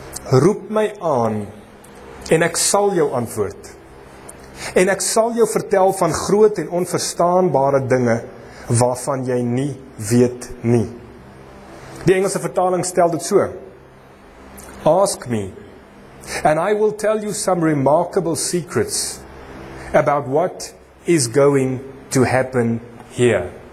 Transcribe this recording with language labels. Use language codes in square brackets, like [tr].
[af] Roep my aan en ek sal jou antwoord. En ek sal jou vertel van groot en onverstaanbare dinge waarvan jy nie weet nie. Die Engelse vertaling stel dit so. [en] Ask me and I will tell you some remarkable secrets about what is going to happen here.